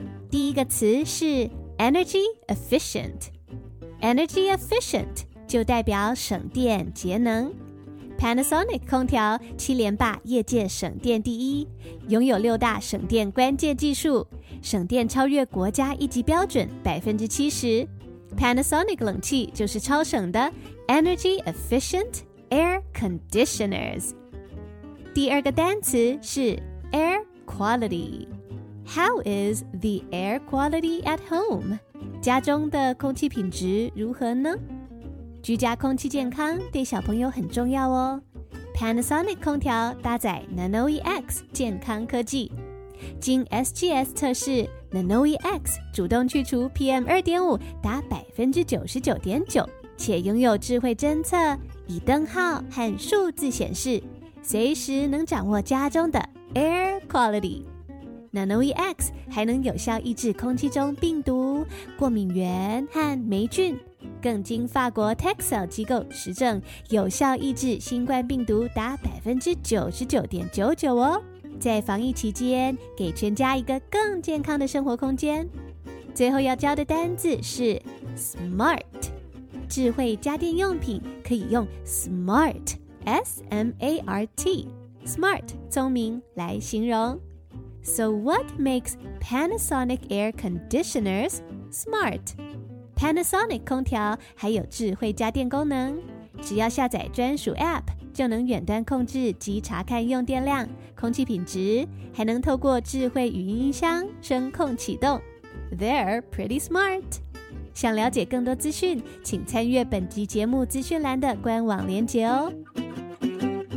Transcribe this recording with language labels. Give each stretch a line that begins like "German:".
Chinese: 第一个词是 energy efficient， energy efficient 就代表省电节能。 Panasonic 空调七连霸业界省电第一，拥有六大省电关键技术，省电超越国家一级标准 70%。 Panasonic 冷气就是超省的
English: Energy Efficient Air Conditioners。
Chinese: 第二个单词是 Air Quality。
English: How is the air quality at home?
Chinese: 家中的空气品质如何呢？居家空气健康对小朋友很重要哦。 Panasonic 空调搭载 NanoEX 健康科技，经 SGS 测试 ，NanoEX 主动去除 PM2.5 达 99.9%， 且拥有智慧侦测，以灯号和数字显示，随时能掌握家中的 air quality。 NanoEX 还能有效抑制空气中病毒、过敏原和霉菌。更经法国 Texel 机构实证，有效抑制新冠病毒达 99.99% 哦。在防疫期间，给全家一个更健康的生活空间。最后要教的单字是 smart， 智慧家电用品可以用 smart， S-M-A-R-T， smart 聪明来形容。
English: So what makes Panasonic air conditioners smart?
Chinese: Panasonic 空调还有智慧家电功能，只要下载专属 APP， 就能远端控制及查看用电量、空气品质，还能透过智慧语音音箱声控启动。
English: They're pretty smart。
Chinese: 想了解更多资讯，请参阅本集节目资讯栏的官网连结哦。